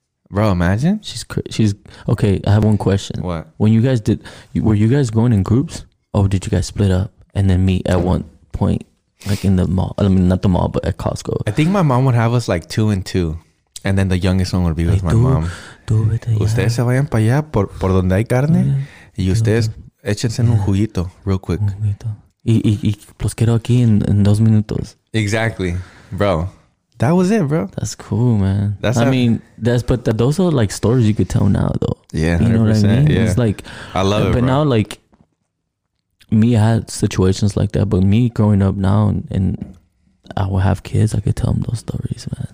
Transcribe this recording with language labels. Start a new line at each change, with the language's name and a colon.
English: Bro, imagine. She's okay. I have one question. What? When you guys were you guys going in groups? Or did you guys split up and then meet at one point, like in the mall? I mean, not the mall, but at Costco. I think my mom would have us like two and two. And then the youngest one would be with my mom.
Spanish: Ustedes se vayan para allá por donde hay carne. Y ustedes échense en un juguito
English: real quick.
Spanish: Y los quiero aquí en dos minutos.
English: Exactly. Bro. That was it, bro. That's cool, man. Those are like stories you could tell now, though. Yeah, 100%. You know what I mean? Yeah. It's like, I love it, but bro. Now, like, me, I had situations like that. But me growing up now and I would have kids, I could tell them those stories, man.